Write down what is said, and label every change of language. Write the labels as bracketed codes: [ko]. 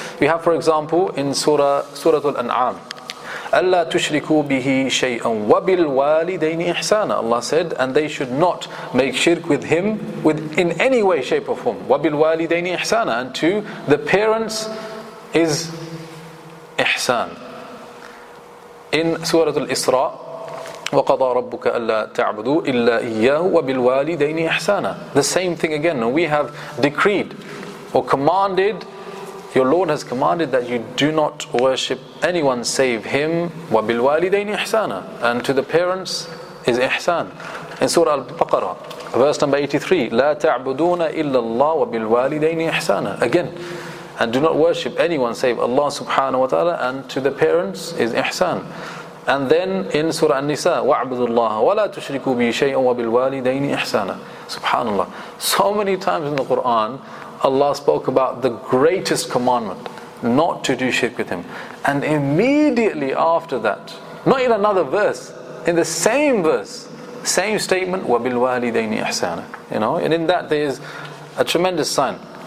[en] We have, for example, in Surah Al-An'am. [ar] أَلَّا تُشْرِكُوا بِهِ شَيْئًا وَبِالْوَالِدَيْنِ إِحْسَانًا [en] Allah said, and they should not make shirk with him with in any way, shape or form. [ar] وَبِالْوَالِدَيْنِ إِحْسَانًا [en] And to the parents is ihsan. In Surah Al-Isra, [ar] وَقَضَى رَبُّكَ أَلَّا تَعْبُدُوا إِلَّا إِيَّهُ وَبِالْوَالِدَيْنِ إِحْسَانًا [en] The same thing again. We have decreed or commanded, your Lord has commanded that you do not worship anyone save Him. [ar] وَبِالْوَالِدَيْنِ إِحْسَانًا [en] And to the parents is إحسان. In Surah Al-Baqarah, verse number 83, [ar] لَا تَعْبُدُونَ إِلَّا اللَّهُ وَبِالْوَالِدَيْنِ إِحْسَانًا [en] Again. And do not worship anyone save Allah subhanahu wa ta'ala and to the parents is ihsan. And then in Surah An-Nisa, [ar] وَعْبُدُ اللَّهَ وَلَا تُشْرِكُوا بِي شَيْءٌ وَبِالْوَالِدَيْنِ إِحْسَانًا Subhanallah. [en] So many times in the Quran, Allah spoke about the greatest commandment, not to do shirk with Him. And immediately after that, not in another verse, in the same verse, same statement, [ar] وَبِالْوَالِدَيْنِ إِحْسَانًا [en] You know, and in that there is a tremendous sign.